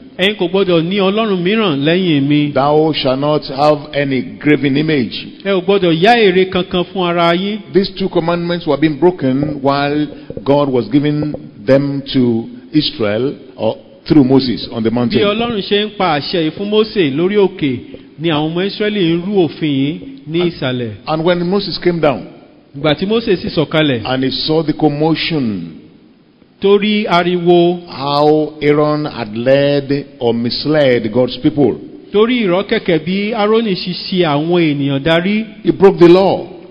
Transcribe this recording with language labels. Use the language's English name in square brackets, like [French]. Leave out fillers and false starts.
[Yoruba] Ẹ̀yin kò gbọdọ̀ ní Ọlọ́run mìíràn lẹ́yìn mi. [English] Thou shall not have any graven image. [Yoruba] Ẹ ò gbọdọ̀ yá ère kankan fún ara yín. [English] These two commandments were being broken while God was giving them to Israel or through Moses on the mountain. [Yoruba] Bí Ọlọ́run ṣe ń pa àṣẹ yìí fún Mose lórí òkè ni àwọn ọmọ Ísíráẹlì ń rú òfin yìí ní ìsàlẹ̀. [English] And when Moses came down, [Yoruba] ìgbà tí Mose sì sọ̀kalẹ̀, [English] and he saw the commotion, [Yoruba] torí ariwo, [English] how Aaron had led or misled God's people, [Yoruba] torí ìrọ́kẹ̀kẹ̀ bí Aaroni ṣe ṣe àwọn ènìyàn darí, [English] he broke the law.